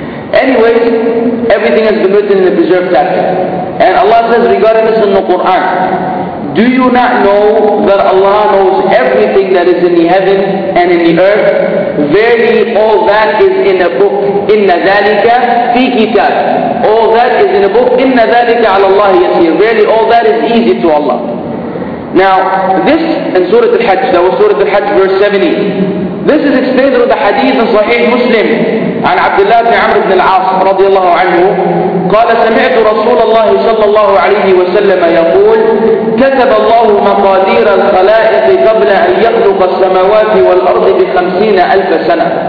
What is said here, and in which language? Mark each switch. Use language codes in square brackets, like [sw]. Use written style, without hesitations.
[en] Anyways, everything has been written in the preserved chapter. And Allah says regarding this in the Quran, do you not know that Allah knows everything that is in the heaven and in the earth? Verily, all that is in a book. [ar] Inna ذَلِكَ فِي كِتَاب. [en] All that is in a book. [ar] Inna ذَلِكَ عَلَى اللَّهِ يَسِيرٌ. [en] Verily, all that is easy to Allah. Now, this in Surah Al-Hajj, that was Surah Al-Hajj verse 70. This is explained through the hadith in Sahih Muslim. [ar] عن عبد الله بن عمرو بن العاص رضي الله عنه قال سمعت رسول الله صلى الله عليه وسلم يقول كتب الله مقادير الخلائق قبل أن يخلق السماوات والأرض بخمسين ألف سنة.